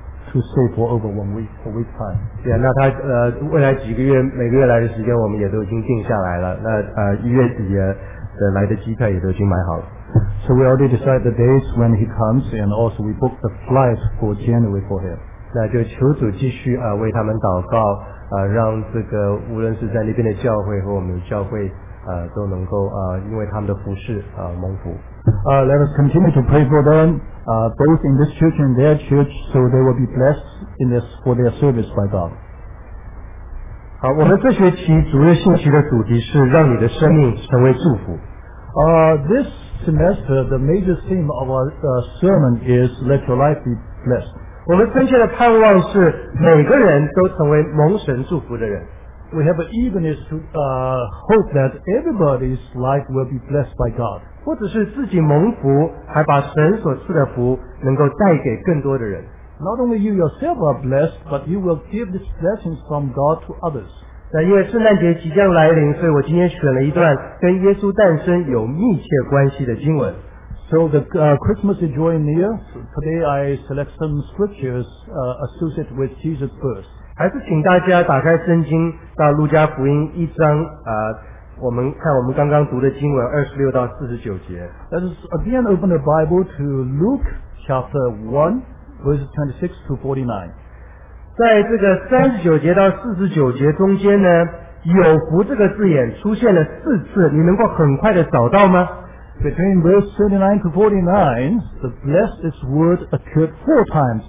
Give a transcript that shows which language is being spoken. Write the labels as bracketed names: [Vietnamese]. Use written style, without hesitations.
[English] To stay for over a week time. [Chinese] Yeah, 那他未来几个月每个月来的时间我们也都已经定下来了。那一月底的来的机票也都已经买好了。 [English] So we already decide the days when he comes, and also we booked the flight for January for him. [Chinese] 那就求主继续为他们祷告，让这个无论是在那边的教会和我们的教会都能够因为他们的服事蒙福。 [English] Let us continue to pray for them, both in this church and their church, so they will be blessed in this for their service by God. [Chinese] 好，我们这学期主日信息的主题是让你的生命成为祝福。 [English] This semester, the major theme of our sermon is Let Your Life Be Blessed. [Chinese] 我们真切的盼望是每个人都成为蒙神祝福的人。 [English] We have an eagerness to hope that everybody's life will be blessed by God. [Chinese] 或者是自己蒙福，还把神所赐的福能够带给更多的人。 [English] Not only you yourself are blessed, but you will give these blessings from God to others. [Chinese] 但因为圣诞节即将来临，所以我今天选了一段跟耶稣诞生有密切关系的经文。 [English] So the Christmas is drawing near. Today I select some scriptures associated with Jesus' birth. [Chinese] 还是请大家打开圣经到路加福音一章我们看我们刚刚读的经文26到49节。 [English] Let us again open the Bible to Luke chapter 1 verses 26 to 49. [Chinese] 在这个39节到49节中间呢，有福这个字眼出现了四次，你能够很快的找到吗？ [English] Between verse 39 to 49, the blessed is word occurred four times.